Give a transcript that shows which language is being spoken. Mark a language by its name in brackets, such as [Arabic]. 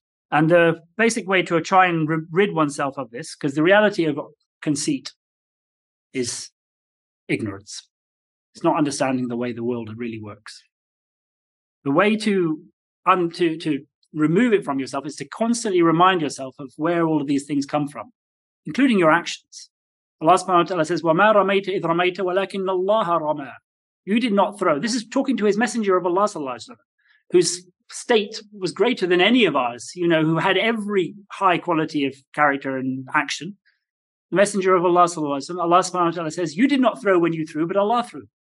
[English] And the basic way to try and rid oneself of this, because the reality of conceit is ignorance. It's not understanding the way the world really works. The way to remove it from yourself is to constantly remind yourself of where all of these things come from, including your actions. [Arabic] Allah subhanahu wa ta'ala says, وَمَا رَمَيْتَ إِذْ رَمَيْتَ وَلَكِنَّ اللَّهَ رَمَى. [English] You did not throw. This is talking to his messenger of Allah sallallahu alayhi wa sallam, whose state was greater than any of ours, who had every high quality of character and action. The messenger of Allah sallallahu alayhi wa sallam, Allah subhanahu wa ta'ala says, you did not throw when you threw, but Allah threw.